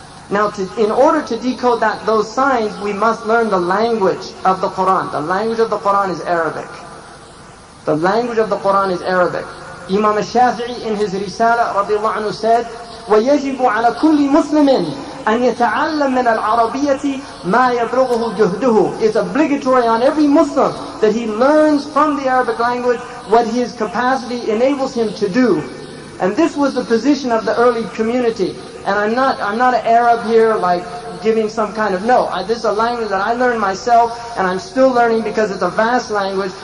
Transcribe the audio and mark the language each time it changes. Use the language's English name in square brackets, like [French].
[English] Now in order to decode those signs, we must learn the language of the Qur'an. The language of the Qur'an is Arabic. The language of the Qur'an is Arabic. Imam al-Shafi'i in his Risala radiallahu anhu said, [Arabic] وَيَجِبُ عَلَى كُلِّ مُسْلِمٍ أن يتعلم من العربية ما يبلغه جهده. [English] It's obligatory on every Muslim that he learns from the Arabic language what his capacity enables him to do. And this was the position of the early community. And I'm not an Arab here, like giving some kind of no. This is a language that I learned myself, and I'm still learning because it's a vast language.